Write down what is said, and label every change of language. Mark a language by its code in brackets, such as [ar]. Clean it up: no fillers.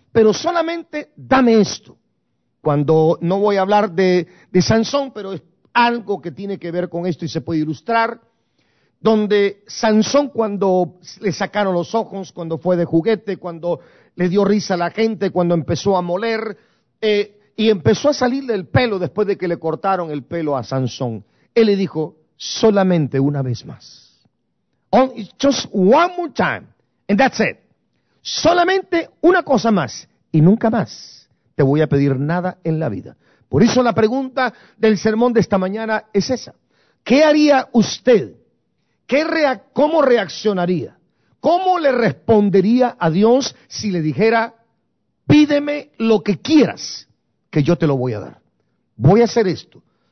[es] Pero solamente dame esto. Cuando no voy a hablar de Sansón, pero es algo que tiene que ver con esto y se puede ilustrar, donde Sansón, cuando le sacaron los ojos, cuando fue de juguete, cuando le dio risa a la gente, cuando empezó a moler, y empezó a salirle el pelo después de que le cortaron el pelo a Sansón, él le dijo, solamente una vez más. [en] Just one more time, and that's it. [es] Solamente una cosa más, y nunca más te voy a pedir nada en la vida. Por eso la pregunta del sermón de esta mañana es esa. ¿Qué haría usted? ¿Cómo reaccionaría? ¿Cómo le respondería a Dios si le dijera, pídeme lo que quieras, que yo te lo voy a dar? Voy a hacer esto.